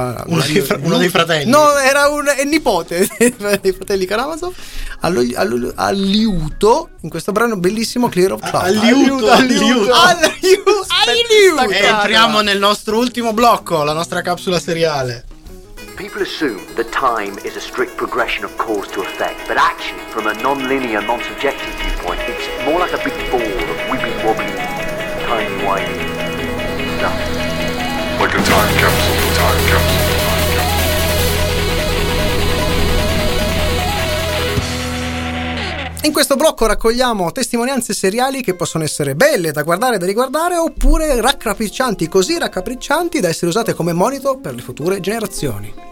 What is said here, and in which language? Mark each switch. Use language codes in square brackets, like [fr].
[it] uno dei fratelli era nipote dei fratelli Karamazov all'iuto in questo brano bellissimo Clear of Clouds. All'iuto. Entriamo nel nostro ultimo blocco, la nostra capsula seriale. [en] People assume that time is a strict progression of cause to effect, but actually from a non-linear, non-subjective viewpoint it's more like a big ball of wibbly wobbly time wibbly stuff. Like a time capsule, [it] In questo blocco raccogliamo testimonianze seriali che possono essere belle da guardare e da riguardare oppure raccapriccianti, così raccapriccianti da essere usate come monito per le future generazioni.